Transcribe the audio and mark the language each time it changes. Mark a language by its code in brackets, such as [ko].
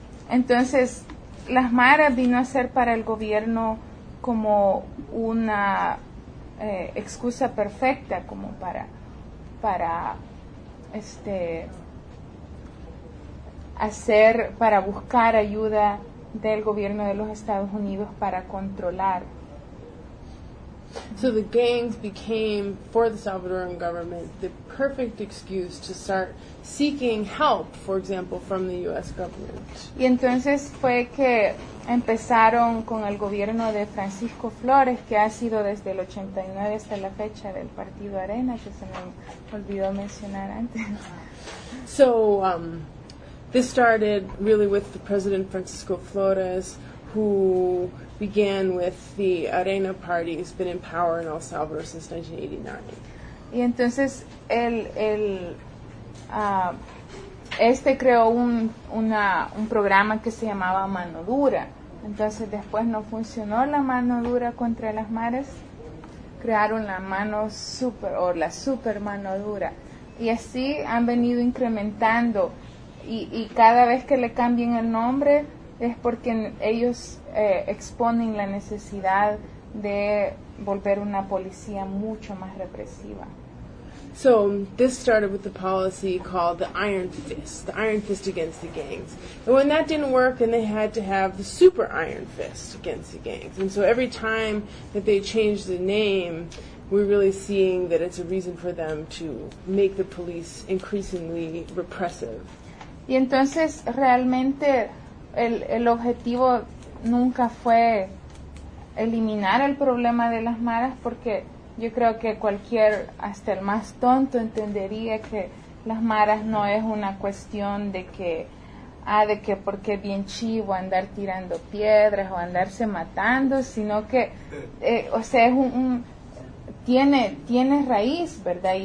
[es] Entonces, las maras vino a ser para el gobierno como una excusa perfecta, como para buscar ayuda del gobierno de los Estados Unidos para controlar. [en] So the gangs became, for the Salvadoran government, the perfect excuse to start seeking help, for example, from the U.S. government. [es] Y entonces fue que empezaron con el gobierno de Francisco Flores, que ha sido desde el 89 hasta la fecha del Partido Arena, que se me olvidó mencionar antes. [en] So this started really with the President Francisco Flores, who began with the Arena Party, who's been in power in El Salvador since 1989. [es] Y entonces el creó un programa que se llamaba Mano Dura. Entonces después no funcionó la mano dura contra las maras, crearon la mano super, o la super mano dura. Y así han venido incrementando, y cada vez que le cambian el nombre es porque ellos exponen la necesidad de volver una policía mucho más represiva. [en] So this started with the policy called the Iron Fist against the gangs. And when that didn't work, then they had to have the Super Iron Fist against the gangs. And so every time that they changed the name, we're really seeing that it's a reason for them to make the police increasingly repressive. [es] Y entonces realmente el objetivo nunca fue eliminar el problema de las maras, porque yo creo que cualquier, hasta el más tonto, entendería que las maras no es una cuestión de que, de que porque bien chivo andar tirando piedras o andarse matando, sino que, o sea, es un tiene raíz, ¿verdad?